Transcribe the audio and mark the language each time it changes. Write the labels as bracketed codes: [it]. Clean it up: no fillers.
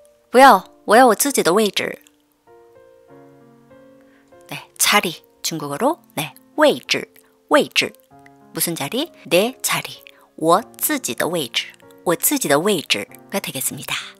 [zh] 不要，我要我自己的位置。不要，我要我自己的位置。不要，我要我自己的位置。 [ko] 네, 자리 중국어로 네, 位置, 位置 무슨 자리? 내 자리, [zh] 我自己的位置，我自己的位置 [ko] 가 되겠습니다.